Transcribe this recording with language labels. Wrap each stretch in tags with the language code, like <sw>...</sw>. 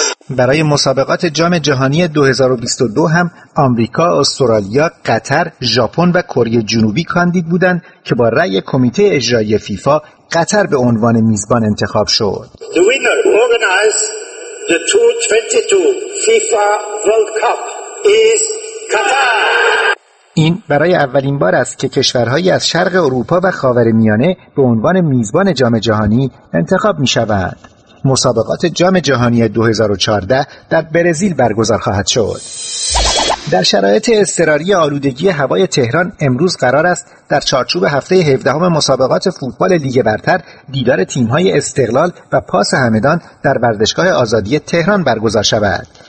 <fa>برای مسابقات جام جهانی 2022 هم آمریکا، استرالیا، قطر، ژاپن و کره جنوبی کاندید بودند که با رأی کمیته اجرایی فیفا قطر به عنوان میزبان انتخاب شد.</fa> <en>The winner organized the 2022 FIFA World Cup is Qatar.</en> <fa>این برای اولین بار است که کشورهایی از شرق اروپا و خاورمیانه به عنوان میزبان جام جهانی انتخاب می‌شوند. مسابقات جام جهانی 2014 در برزیل برگزار خواهد شد. در شرایط اضطراری آلودگی هوای تهران امروز قرار است در چارچوب هفته 17 مسابقات فوتبال لیگ برتر دیدار تیم‌های استقلال و پاس همدان در ورزشگاه آزادی تهران برگزار شود.</fa>